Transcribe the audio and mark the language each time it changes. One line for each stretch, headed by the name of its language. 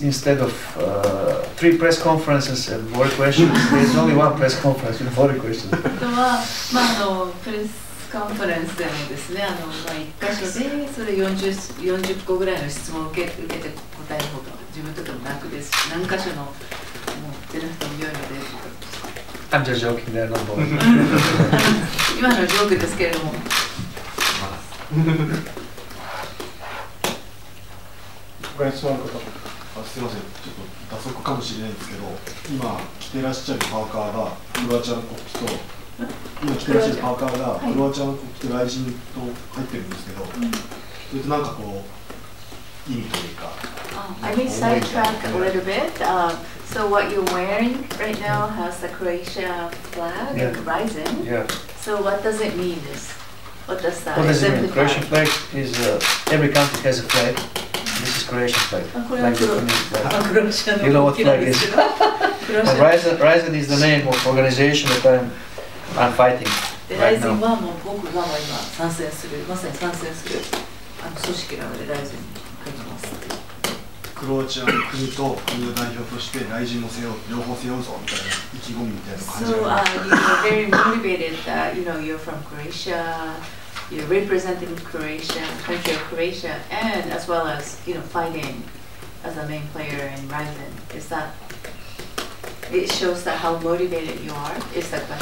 English: And instead of three press conferences and four questions, there is only one press conference with four questions.
Japanese: とは、まあ、あのプレスカンファレンスでもですね、あの、まあ、1箇所でそれ 40個ぐらいの質問を受けて答える方が自分とても楽ですし、何箇所の持ってる人も良いので。
English: I'm just joking there, not boy.
Japanese: 今のジョークですけれども。他に質問ある方。あ、すいません、ちょっと脱足かもしれないんですけど、今着てらっしゃるパーカーがクロアチアの国旗と、今着てらっしゃるパーカーがクロアチアの国旗と雷神と入ってるんですけど、それとなんかこう意味というか。
English: I need sidetrack a little bit. So what you're wearing right now has the Croatia flag, yeah. Rising. Yeah. So what does it mean? This? What does that? What does it mean? Croatian flag is every country has a flag. This is Croatian flag. Like you know what flag is? Rising is the name of organization that I'm fighting right now.
Japanese: Rising はもう僕が今参戦する、まさに参戦する組織なので Rising書いてます。クロアチアの国と国の代表として雷神も背負う、両方背負うぞみたいな意気込みみたいな感じがあります。
English: So, you are very motivated that you know, you're from Croatia, you're representing Croatia, country of Croatia, and as well as you know, fighting as a main player in Rising. Is that, it shows that how motivated you are, is the question.